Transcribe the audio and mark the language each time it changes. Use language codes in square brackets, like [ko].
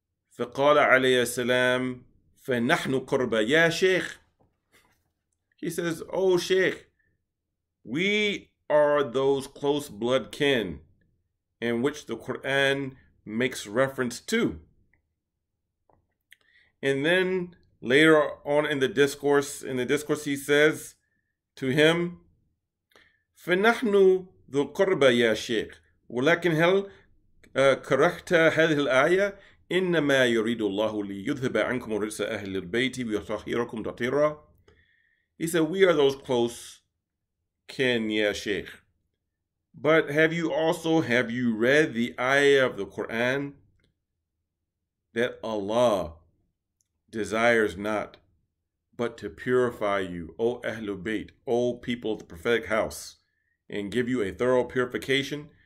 [ar] فقال عليه السلام فنحن قربة يا شيخ. [en] He says, O Sheikh, we are those close blood kin in which the Quran makes reference to. And then later on in the discourse, he says to him, [ar] فنحن ذو قربة يا شيخ ولكن هل كرهت هذه الآية. إنما يريد الله ليذهب عنكم رجس أهل البيت ويطهركم تطهيرا. [en] He said, we are those close kin, ya Sheikh. But have you read the ayah of the Quran that Allah desires not but to purify you, O Ahl al-Bayt, O people of the prophetic house, and give you a thorough purification?